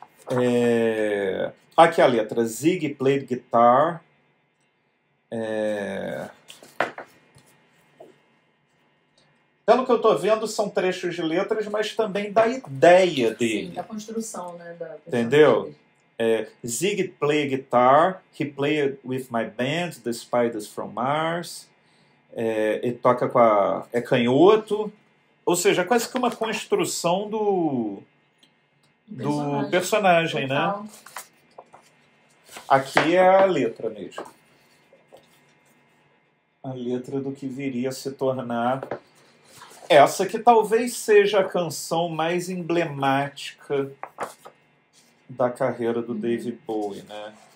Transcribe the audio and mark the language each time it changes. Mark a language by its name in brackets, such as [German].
[Portuguese] É... Aqui a letra. Zig played guitar. É... Pelo que eu tô vendo, são trechos de letras, mas também da ideia dele. Sim, da construção, né? Da... Entendeu? [English] É, Zig play guitar, he played with my band, The Spiders from Mars. [Portuguese] É, ele toca com a... É canhoto. Ou seja, quase que uma construção do... Do personagem, personagem, né? Aqui é a letra mesmo. A letra do que viria a se tornar... Essa que talvez seja a canção mais emblemática da carreira do David Bowie, né?